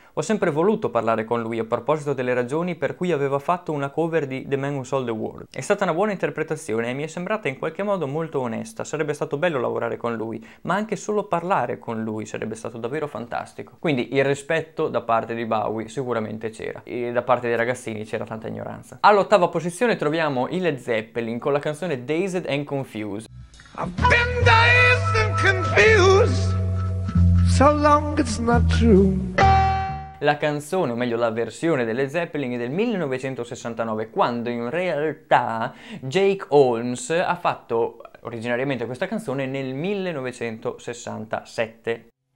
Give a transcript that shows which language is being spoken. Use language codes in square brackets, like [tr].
[it] Ho sempre voluto parlare con lui a proposito delle ragioni per cui aveva fatto una cover di The Man Who Sold the World. È stata una buona interpretazione e mi è sembrata in qualche modo molto onesta. Sarebbe stato bello lavorare con lui, ma anche solo parlare con lui sarebbe stato davvero fantastico. Quindi il rispetto da parte di Bowie sicuramente c'era, e da parte dei ragazzini c'era tanta ignoranza. All'ottava posizione troviamo i Led Zeppelin con la canzone Dazed and Confused. [en] I've been dazed and confused. So long it's not true. [it] La canzone, o meglio la versione delle Zeppelin, è del 1969, quando in realtà Jake Holmes ha fatto originariamente questa canzone nel 1967.